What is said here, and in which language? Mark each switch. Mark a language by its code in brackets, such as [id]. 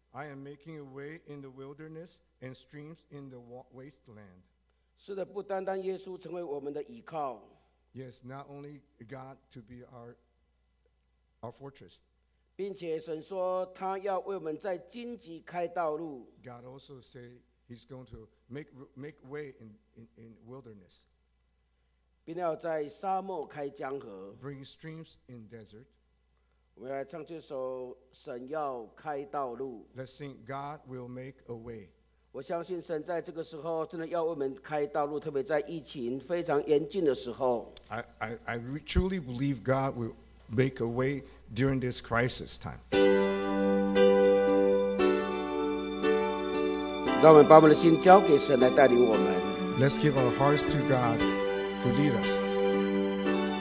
[en] I am making a way in the wilderness and streams in the wasteland. [zh] 是的，不单单耶稣成为我们的依靠。 [en] Yes, not only God to be our fortress. [zh] 并且神说他要为我们在荆棘开道路。 [en] God also said he's going to make way in wilderness. [zh] 并要在沙漠开江河。 [en] Bring streams in desert. [zh] 我来唱这首《神要开道路》。 [en] Let's sing God will make a way。 [zh] 我相信神在这个时候真的要为我们开道路，特别在疫情非常严峻的时候。 [en] I truly believe God will make a way during this crisis time。 [zh] 让我们把我们的心交给神来带领我们。 [en] Let's give our hearts to God to lead us。